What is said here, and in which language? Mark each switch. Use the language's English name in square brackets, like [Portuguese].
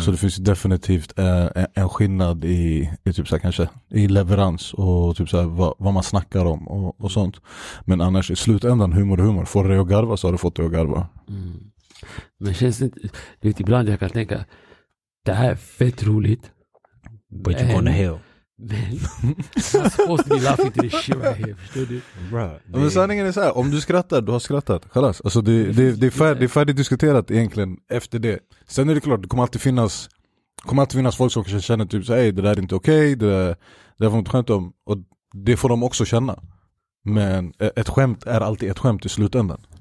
[Swedish] Så det finns definitivt en skillnad i typ så här, kanske i leverans och typ så här, vad man snackar om och sånt. Men annars i slutändan, humor, får det att garva så har du fått det att garva. Mm. Men känns det inte, ibland jag kan tänka, det här är fett roligt. [English] But you're gonna hell. Man, I'm supposed to be laughing to this shit right here. [Swedish] Men sanningen är så här, om du skrattar, du har skrattat. Kallas. Alltså det är färdigt diskuterat egentligen efter det. Sen är det klart, det kommer alltid finnas folk som kanske känner typ så, hej, det där är inte okej, okay, det där får man inte skämt om. Och det får de också känna. Men ett skämt är alltid ett skämt i slutändan.